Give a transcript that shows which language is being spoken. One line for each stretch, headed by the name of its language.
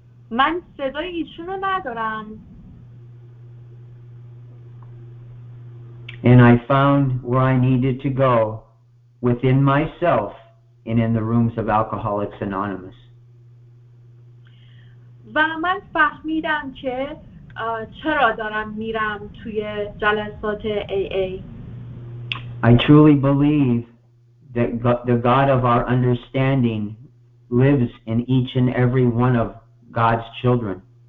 Persian: من صدای ایشونو ندارم.
English: And I found where I needed to go within myself and in the rooms of Alcoholics Anonymous.
Persian: و من فهمیدم که چرا دارم میرم توی جلسات AA.
English: I truly believe that the God of our understanding lives in each and every one of God's children.